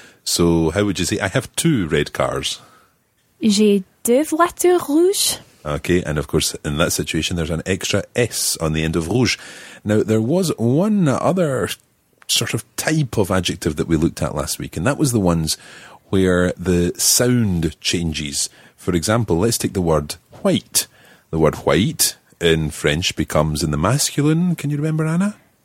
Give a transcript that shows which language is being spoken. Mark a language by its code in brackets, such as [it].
[en] So, how would you say, I have two red cars? [fr] J'ai deux voitures rouges. [en] Okay, and of course, in that situation, there's an extra S on the end of rouge. Now, there was one other sort of type of adjective that we looked at last week, and that was the ones where the sound changes. For example, let's take the word white. The word white in French becomes in the masculine, can you remember, Anna?